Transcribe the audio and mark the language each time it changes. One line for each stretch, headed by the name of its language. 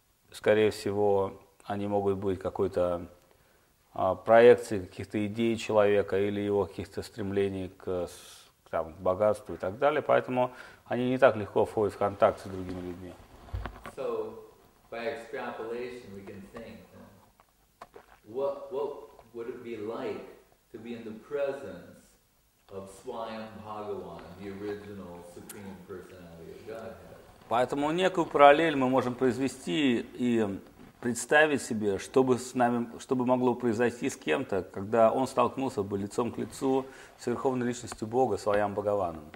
Russian: Скорее всего, они могут быть какой-то проекцией каких-то идей человека или его каких-то стремлений к богатству и так далее. Поэтому они не так легко входят в контакт с другими людьми.
English: So, by extrapolation, we can think, what would it be like to be in the presence of Swayam Bhagavan, the original Supreme Personality of Godhead.
Russian: Поэтому некую параллель мы можем произвести и представить себе, что бы могло произойти с кем-то, когда он столкнулся бы лицом к лицу с Верховной Личностью Бога, Свайам Бхагаваном.